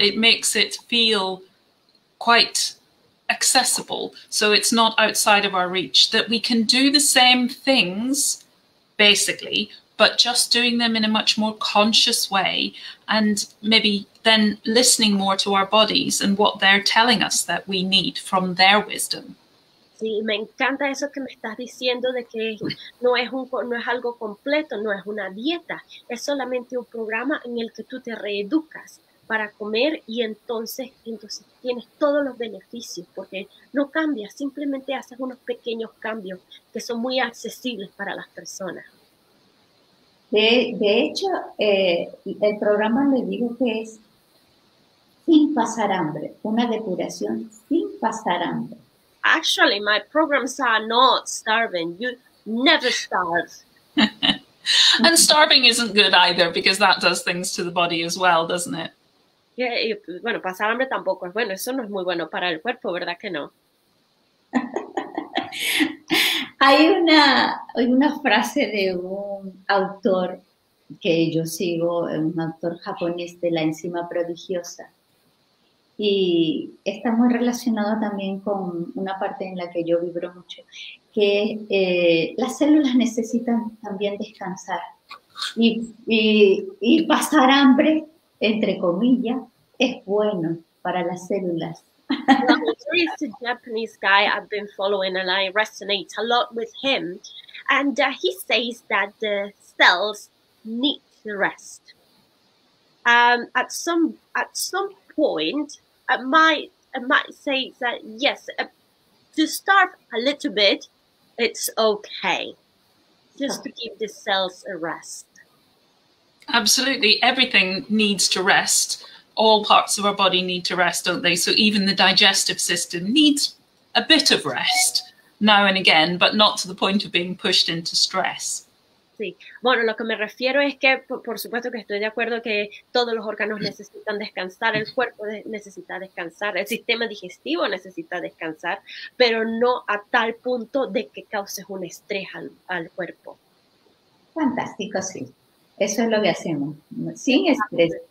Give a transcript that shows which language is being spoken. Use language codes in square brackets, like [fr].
[en] It makes it feel quite accessible, so it's not outside of our reach, that we can do the same things, basically, but just doing them in a much more conscious way, and maybe then listening more to our bodies and what they're telling us that we need from their wisdom. [es] Sí, me encanta eso que me estás diciendo, de que no es algo completo, no es una dieta, es solamente un programa en el que tú te reeducas para comer, y entonces tienes todos los beneficios, porque no cambias, simplemente haces unos pequeños cambios que son muy accesibles para las personas. De hecho, el programa, le digo que es sin pasar hambre, una depuración sin pasar hambre. [en] Actually, my programs are not starving. You never starve. And starving isn't good either, because that does things to the body as well, doesn't it? [es] Yeah, y, bueno, pasar hambre tampoco es bueno. Eso no es muy bueno para el cuerpo, ¿verdad que no? Hay una frase de un autor que yo sigo, un autor japonés de la enzima prodigiosa, y está muy relacionado también con una parte en la que yo vibro mucho, que las células necesitan también descansar y pasar hambre, entre comillas, es bueno para las células. [en] There is a Japanese guy I've been following, and I resonate a lot with him. And he says that the cells need to rest. At some point, I might say that yes, to starve a little bit, it's okay, just to give the cells a rest. Absolutely, everything needs to rest. All parts of our body need to rest, don't they? So even the digestive system needs a bit of rest now and again, but not to the point of being pushed into stress. [es] Sí. Bueno, lo que me refiero es que, por supuesto que estoy de acuerdo que todos los órganos necesitan descansar, el cuerpo necesita descansar, el sistema digestivo necesita descansar, pero no a tal punto de que causes un estrés al cuerpo. Fantástico, sí. Eso es lo que hacemos. Sin estrés.